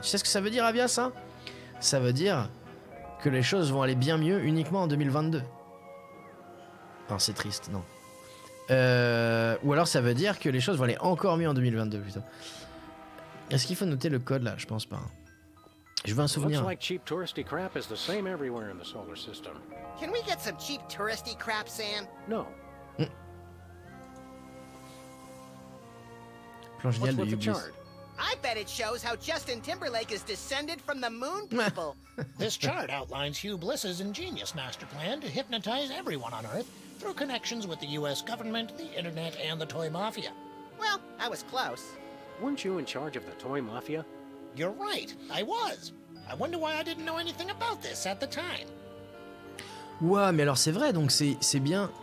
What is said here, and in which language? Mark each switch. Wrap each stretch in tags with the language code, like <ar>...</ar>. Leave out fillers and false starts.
<fr>Tu sais ce que ça veut dire, Avia, ça? Ça veut dire que les choses vont aller bien mieux uniquement en 2022. Enfin, c'est triste, non. Ou alors ça veut dire que les choses vont aller encore mieux en 2022, plutôt. Est-ce qu'il faut noter le code, là? Je pense pas. Je veux un souvenir.</fr> <en>Looks like cheap touristy crap is the same everywhere in the solar system. Can we get some cheap touristy crap, Sam? No.</en> <fr>Plan génial de Ubisoft.</fr> <en>I bet it shows how Justin Timberlake is descended from the moon people. This chart outlines Hugh Bliss's ingenious master plan to hypnotize everyone on Earth through connections with the U.S. government, the internet, and the toy mafia. Well, I was close. Weren't you in charge of the toy mafia? You're right, I was. I wonder why I didn't know anything about this at the time.</en> <fr>Ouah, mais alors c'est vrai, donc c'est bien...</fr>